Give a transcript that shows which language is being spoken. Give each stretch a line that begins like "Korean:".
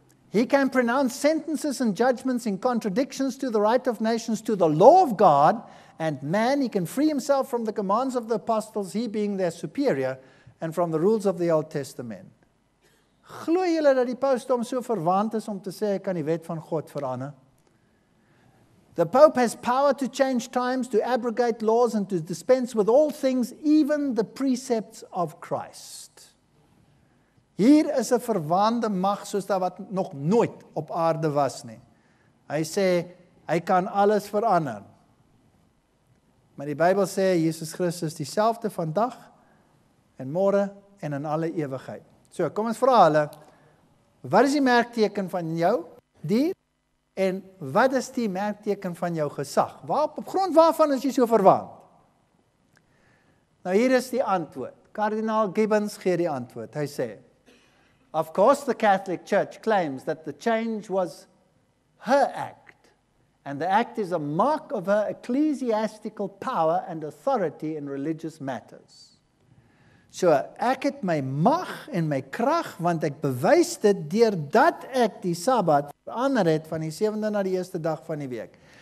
English: He can pronounce sentences and judgments in contradictions to the right of nations, to the law of God, and man, he can free himself from the commands of the apostles, he being their superior, and from the rules of the Old Testament.
Afrikaans: Glooi julle dat die pausdom so verwant is om te sê, ek kan die wet van God verander?
English: The Pope has power to change times, to abrogate laws, and to dispense with all things, even the precepts of Christ.
Afrikaans: Hier is 'n verwaande mag soos daar wat nog nooit op aarde was nie. Hy sê, hy kan alles verander. Maar die Bybel sê, Jesus Christus dieselfde vandag en môre en in alle ewigheid. So, kom ons vra hulle, wat is die merkteken van jou dier? En wat is die merkteken van jou gesag? Op grond waarvan is jy so verwaand? Nou hier is die antwoord. Kardinaal Gibbons gee die antwoord. Hy sê,
English: of course the Catholic Church claims that the change was her act, and the act is a mark of her ecclesiastical power and authority in religious matters.
Afrikaans: So ek het my mag en my krag, want ek bewys dit deurdat ek die Sabbat verander het van die 7de na die 1ste dag van die week.